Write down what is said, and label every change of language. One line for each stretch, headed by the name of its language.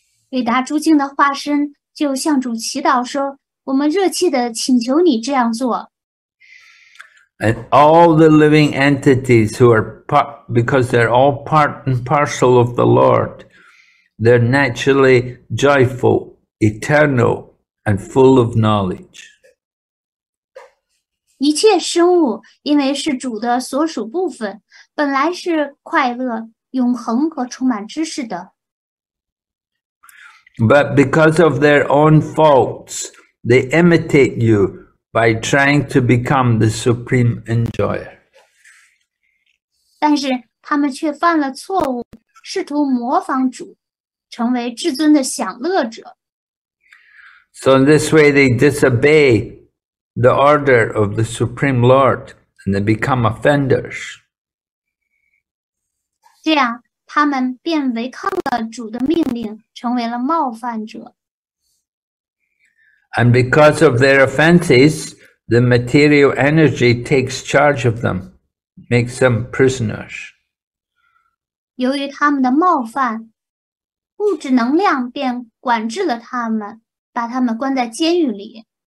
Chinese: 韦达诸经的化身就向主祈祷说，我们热切地请求你这样做。
English: And all the living entities who are part, because they're all part and parcel of the Lord, they're naturally joyful, eternal, and full of knowledge.
Chinese: 一切生物因为是主的所属部分，本来是快乐、永恒和充满知识的。
English: But because of their own faults, they imitate you by trying to become the supreme enjoyer.
Chinese: 但是他们却犯了错误, 试图模仿主, 成为至尊的享乐者。
English: So in this way, they disobey the order of the Supreme Lord and they become offenders.
Chinese: 这样, 他们便违抗了主的命令, 成为了冒犯者。
English: And because of their offenses, the material energy takes charge of them, makes them prisoners.
Chinese: 由于他们的冒犯, 物质能量便管制了他们, 把他们关在监狱里。